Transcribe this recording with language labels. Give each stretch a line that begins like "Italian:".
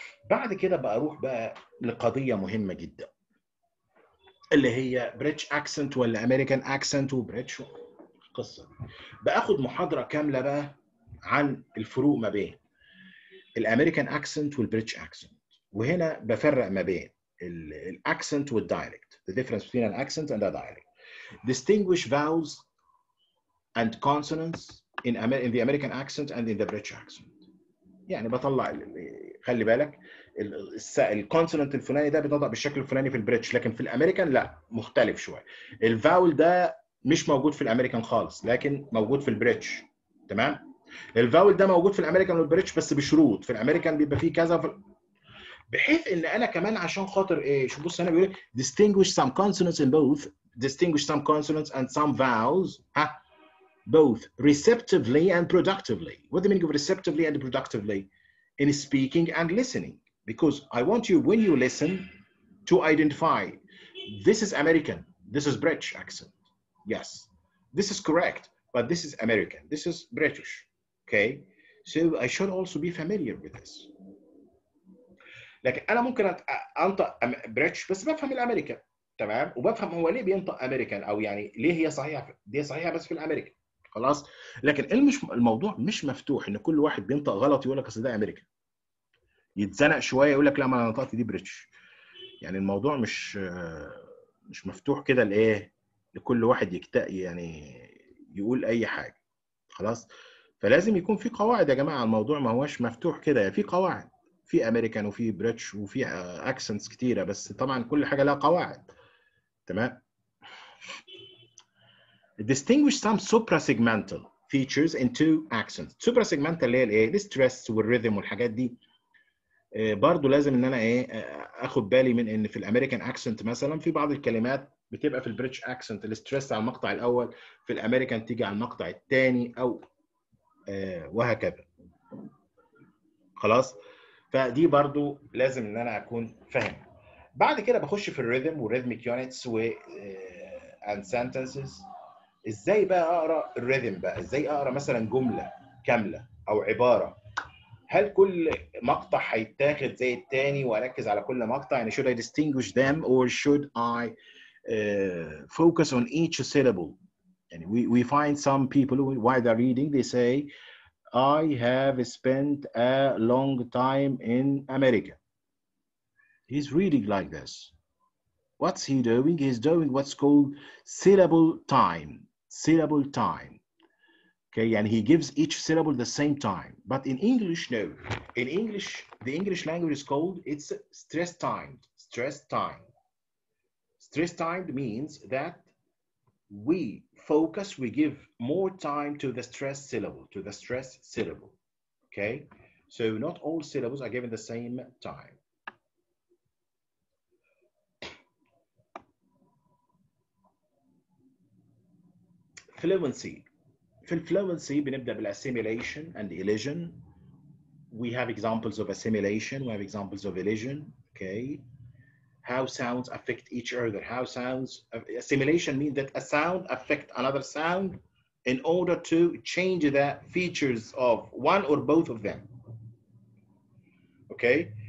Arabic: بعد كده بقى اروح بقى لقضيه مهمه جدا اللي هي بريتش اكسنت ولا امريكان اكسنت وبريتش. القصه دي باخد محاضره كامله بقى عن الفروق ما بين الامريكان اكسنت والبريتش اكسنت. وهنا بفرق ما بين الاكسنت والدايلكت.
English: The difference between an accent and a dialect. Distinguish vowels and consonants in the American accent and in the British accent.
Arabic: يعني بطلع, خلي بالك الكونسوننت الفلاني ده بيتنطق بالشكل الفلاني في البريتش, لكن في الامريكان لا, مختلف شويه. الفاول ده مش موجود في الامريكان خالص, لكن موجود في البريتش. تمام. الفاول ده موجود في الامريكان والبريتش بس بشروط. في الامريكان بيبقى فيه كذا, بحيث ان انا كمان عشان خاطر ايه, شوف بص هنا بيقول
English: distinguish some consonants in both, distinguish some consonants and some vowels, ها, both receptively and productively. What do you mean of receptively and productively? In speaking and listening, because I want you, when you listen, to identify this is American, this is British accent. Yes, this is correct, but this is American, this is British. Okay, so I should also be familiar with this.
Arabic: لكن انا ممكن انطق بريتش بس بفهم الامريكان, تمام, وبفهم هو ليه بينطق امريكان, او يعني ليه هي صحيحه, دي صحيحه بس في الامريكان خلاص. لكن الموضوع مش مفتوح ان كل واحد بينطق غلط يقول لك اصل ده امريكا, يتزنق شويه يقول لك لا ما انا نطقت دي بريتش. يعني الموضوع مش مفتوح كده لايه, لكل واحد يعني يقول اي حاجه خلاص. فلازم يكون في قواعد يا جماعه, الموضوع ما هوش مفتوح كده. في قواعد, في امريكان وفي بريتش وفي اكسنتس كتيره, بس طبعا كل حاجه لها قواعد. تمام.
English: Distinguish some suprasegmental features in two accents.
Arabic: Suprasegmental اللي هي الايه,
English: the stress
Arabic: والريثم والحاجات دي, برضو لازم ان انا ايه اخد بالي من ان في الامريكان اكسنت مثلا في بعض الكلمات بتبقى في البريتش اكسنت الستريس على المقطع الاول, في الامريكان تيجي على المقطع الثاني, او وهكذا خلاص. فدي برضو لازم ان انا اكون فاهم. بعد كده بخش في الريثم والريثميك يونتس و
English: and sentences.
Arabic: ازاي بقى اقرا الريثم بقى, ازاي اقرا مثلا جمله كامله او عباره, هل كل مقطع هيتاخد زي التاني واركز على كل مقطع؟ يعني
English: should I distinguish them or should I focus on each syllable?
Arabic: يعني
English: we find some people while they're reading they say I have spent a long time in America. He's reading like this. What's he doing? He's doing what's called syllable time. Syllable time. Okay, and he gives each syllable the same time. But in English, no. In English, the English language is called, it's stress timed. Stress timed. Stress timed means that we focus, we give more time to the stress syllable, to the stress syllable. Okay, so not all syllables are given the same time. Fluency.
Arabic: في الفلوينسي بنبدأ بال
English: assimilation and elision. We have examples of assimilation. We have examples of elision. Okay. How sounds affect each other. How sounds... Assimilation means that a sound affect another sound in order to change the features of one or both of them. Okay.